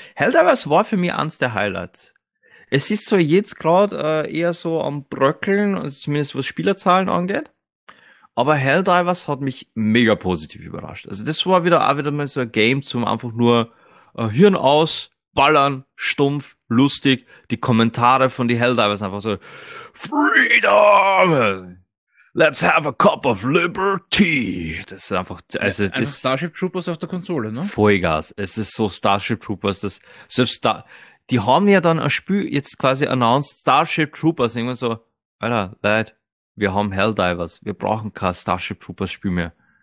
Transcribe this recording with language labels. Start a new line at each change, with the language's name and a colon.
German: Helldivers war für mich eins der Highlights. Es ist so jetzt gerade eher so am Bröckeln, zumindest was Spielerzahlen angeht. Aber Helldivers hat mich mega positiv überrascht. Also das war wieder auch wieder mal so ein Game zum einfach nur Hirn aus, ballern, stumpf, lustig, die Kommentare von die Helldivers einfach so,
English: Freedom! Let's have a cup of liberty!
German: Das ist einfach, also, ja, das Starship Troopers auf der Konsole, ne? Vollgas. Es ist so Starship Troopers, das, selbst da, die haben ja dann ein Spiel jetzt quasi announced, Starship Troopers, irgendwann so, Alter, Leute, wir haben Helldivers, wir brauchen kein Starship Troopers Spiel mehr.